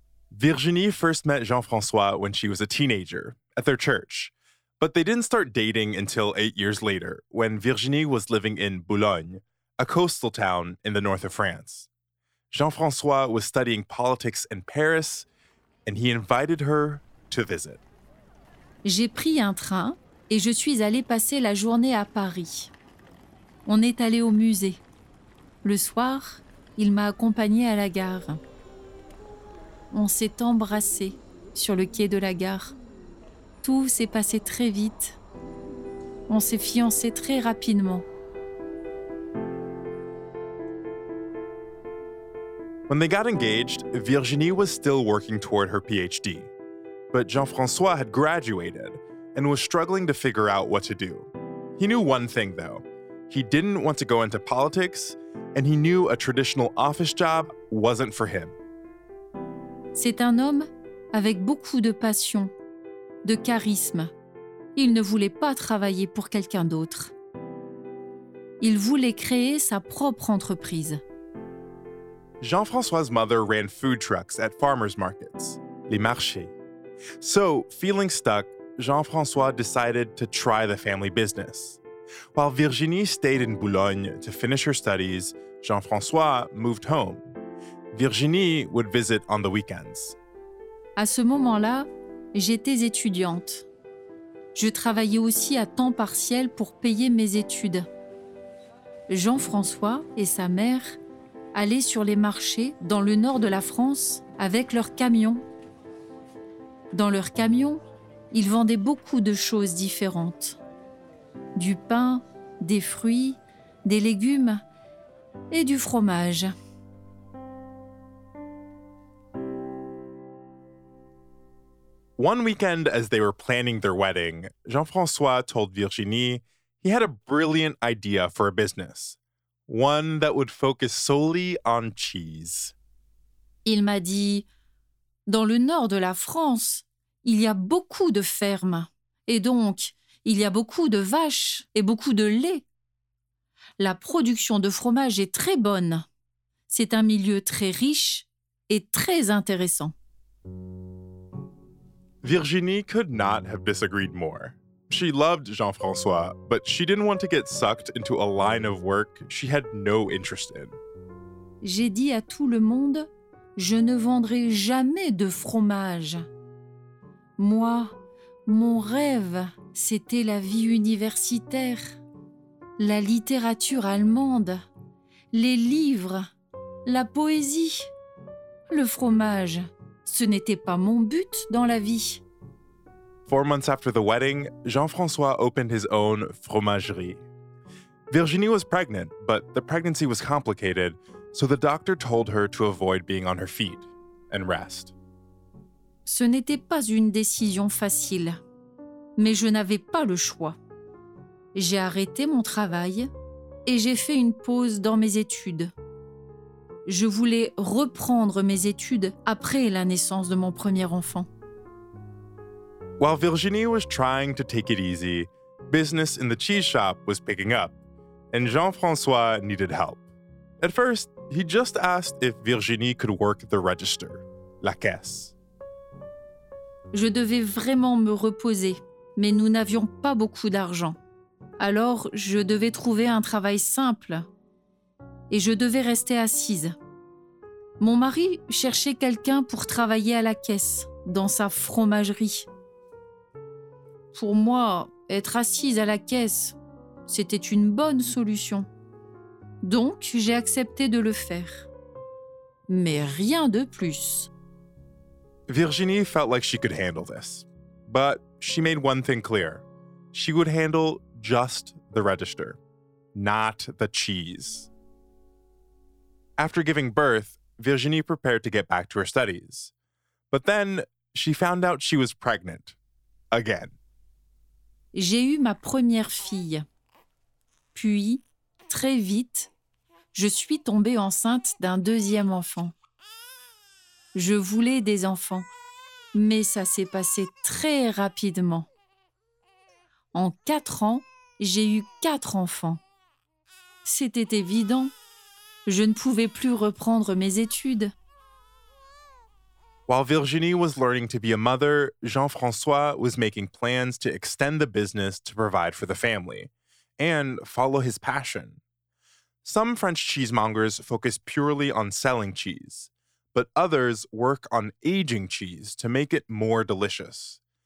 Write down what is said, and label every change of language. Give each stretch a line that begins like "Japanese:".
English: Virginie first met Jean-François when she was a teenager at their church. But they didn't start dating until 8 years later, when Virginie was living in Boulogne, a coastal town in the north of France. Jean-François was studying politics in Paris, and he invited her to visit.
French: J'ai pris un train et je suis allée passer la journée à Paris. On est allé au musée. Le soir, il m'a accompagnée à la gare. On s'est embrassé sur le quai de la gare. Tout s'est passé très vite. On s'est fiancé très rapidement.
English: When they got engaged, Virginie was still working toward her PhD. But Jean-François had graduated and was struggling to figure out what to do. He knew one thing, though. He didn't want to go into politics, and he knew a traditional office job wasn't for him.
French: C'est un homme avec beaucoup de passion, de charisme. Il ne voulait pas travailler pour quelqu'un d'autre. Il voulait créer sa propre entreprise.
English: Jean-François's mother ran food trucks at farmers markets, les marchés. So, feeling stuck, Jean-François decided to try the family business. While Virginie stayed in Boulogne to finish her studies, Jean-François moved home. Virginie would visit on the weekends.
French: À ce moment-là, j'étais étudiante. Je travaillais aussi à temps partiel pour payer mes études. Jean-François et sa mère allaient sur les marchés dans le nord de la France avec leur camion. Dans leur camion, ils vendaient beaucoup de choses différentes. Du pain, des fruits, des légumes et du fromage.
English: One weekend, as they were planning their wedding, Jean-François told Virginie he had a brilliant idea for a business, one that would focus solely on cheese.
French: Il m'a dit, dans le nord de la France, il y a beaucoup de fermes, et donc, il y a beaucoup de vaches et beaucoup de lait. La production de fromage est très bonne. C'est un milieu très riche et très intéressant.
English: Virginie could not have disagreed more. She loved Jean-François, but she didn't want to get sucked into a line of work she had no interest in.
French: J'ai dit à tout le monde, je ne vendrai jamais de fromage. Moi, mon rêve, c'était la vie universitaire, la littérature allemande, les livres, la poésie, le fromage. Ce n'était pas mon but dans la vie.
English: 4 months after the wedding, Jean-François opened his own fromagerie. Virginie was pregnant, but the pregnancy was complicated, so the doctor told her to avoid being on her feet and rest.
French: Ce n'était pas une décision facile, mais je n'avais pas le choix. J'ai arrêté mon travail et j'ai fait une pause dans mes études. Je voulais reprendre mes études après la naissance de mon premier enfant.
English: While Virginie was trying to take it easy, business in the cheese shop was picking up, and Jean-François needed help. At first, he just asked if Virginie could work the register, la caisse.
French: Je devais vraiment me reposer, mais nous n'avions pas beaucoup d'argent. Alors, je devais trouver un travail simple, et je devais rester assise. Mon mari cherchait quelqu'un pour travailler à la caisse, dans sa fromagerie. Pour moi, être assise à la caisse, c'était une bonne solution. Donc, j'ai accepté de le faire. Mais rien de plus.
English: Virginie felt like she could handle this. But she made one thing clear. She would handle just the register, not the cheese. After giving birth, Virginie prepared to get back to her studies. But then, she found out she was pregnant. Again.
French: J'ai eu ma première fille. Puis, très vite, je suis tombée enceinte d'un deuxième enfant. Je voulais des enfants, mais ça s'est passé très rapidement. En 4 ans, j'ai eu 4 enfants. C'était évident. Je ne pouvais plus reprendre mes études.
English: While Virginie was learning to be a mother, Jean-François was making plans to extend the business to provide for the family and follow his passion. Some French cheesemongers focus purely on selling cheese, but others work on aging cheese to make it more delicious.